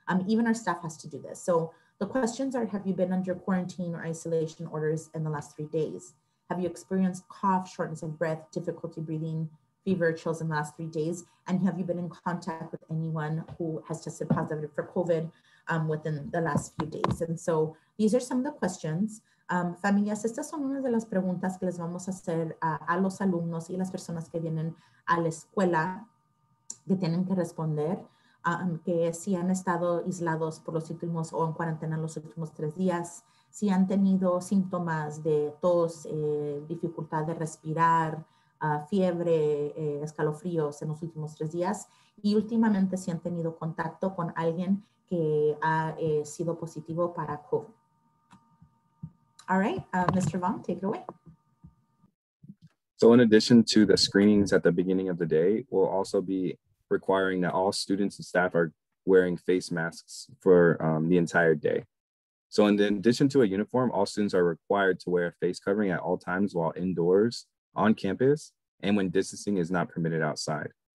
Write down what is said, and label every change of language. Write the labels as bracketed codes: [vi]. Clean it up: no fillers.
[en] Even our staff has to do this. So the questions are, have you been under quarantine or isolation orders in the last 3 days? Have you experienced cough, shortness of breath, difficulty breathing, fever, chills in the last 3 days? And have you been in contact with anyone who has tested positive for COVID within the last few days? And so these are some of the questions. [es] Familias, estas son unas de las preguntas que les vamos a hacer a los alumnos y las personas que vienen a la escuela que tienen que responder, que si han estado aislados por los últimos o en cuarentena los últimos 3 días, si han tenido síntomas de tos, dificultad de respirar, fiebre, escalofríos en los últimos 3 días y últimamente si han tenido contacto con alguien que ha sido positivo para COVID. [en] All right, Mr. Vaughn, take it away. So in addition to the screenings at the beginning of the day, we'll also be requiring that all students and staff are wearing face masks for the entire day. So in addition to a uniform, all students are required to wear a face covering at all times while indoors, on campus, and when distancing is not permitted outside.